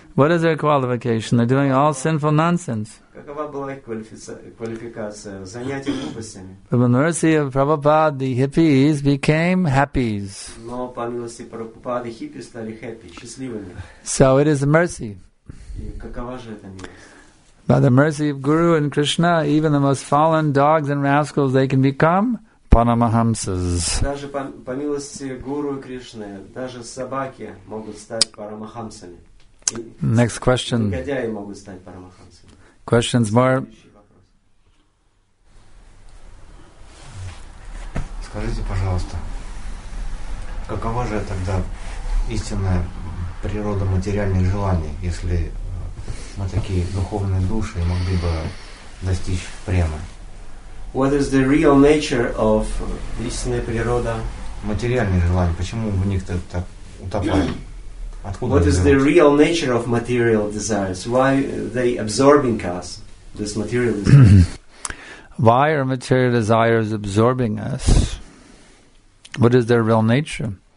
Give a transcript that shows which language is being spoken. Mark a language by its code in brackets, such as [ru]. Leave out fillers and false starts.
[en] What is their qualification? They're doing all sinful nonsense. [ru] Какова была их квалификация? Занятие глупостями. [en] But by the mercy of Prabhupada, the hippies became happies. [ru] Но по милости Прабхупады хиппи стали happy, счастливыми. [en] So it is a mercy. [ru] И какова же эта милость? [en] By the mercy of Guru and Krishna, even the most fallen dogs and rascals, they can become Paramahamsas. [ru] Даже по милости Гуру и Кришны, даже собаки могут стать парамахамсами. [en] Next question. [ru] Негодяи могут стать парамахамсами. [en] Questions more? [ru] Скажите, пожалуйста, какова же тогда истинная природа материальных желаний, если мы такие духовные души и могли бы достичь премы? [en] What is the real nature of [ru] истинная природа материальных желаний? Почему в них так утопают? Откуда [en] what is the real nature of material desires? Why are they absorbing us, this material desire? Why are material desires absorbing us? What is their real nature?